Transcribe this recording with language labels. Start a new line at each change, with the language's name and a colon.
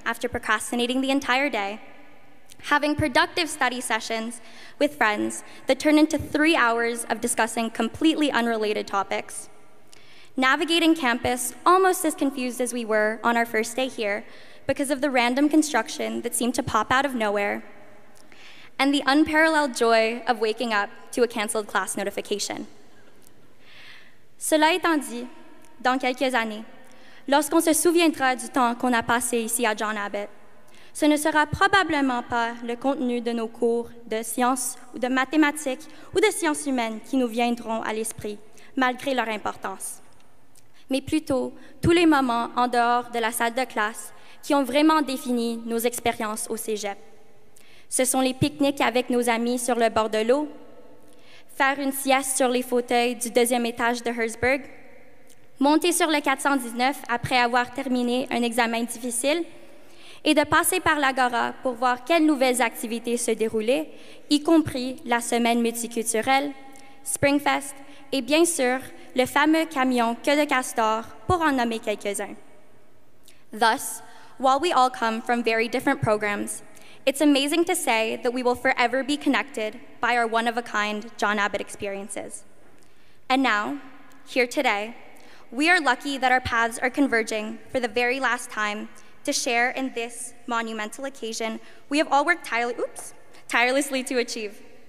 English: after procrastinating the entire day, having productive study sessions with friends that turn into 3 hours of discussing completely unrelated topics, navigating campus almost as confused as we were on our first day here because of the random construction that seemed to pop out of nowhere, and the unparalleled joy of waking up to a canceled class notification.
French: Cela étant dit, dans quelques années, lorsqu'on se souviendra du temps qu'on a passé ici à John Abbott, ce ne sera probablement pas le contenu de nos cours de sciences ou de mathématiques ou de sciences humaines qui nous viendront à l'esprit, malgré leur importance, mais plutôt tous les moments en dehors de la salle de classe qui ont vraiment défini nos expériences au cégep. Ce sont les pique-niques avec nos amis sur le bord de l'eau, faire une sieste sur les fauteuils du deuxième étage de Herzberg, monter sur le 419 après avoir terminé un examen difficile et de passer par l'Agora pour voir quelles nouvelles activités se déroulaient, y compris la semaine multiculturelle, Springfest et bien sûr le fameux camion Queue de Castor pour en nommer quelques-uns.
English: Thus, while we all come from very different programs, it's amazing to say that we will forever be connected by our one-of-a-kind John Abbott experiences. And now, here today, we are lucky that our paths are converging for the very last time to share in this monumental occasion we have all worked tirelessly to achieve.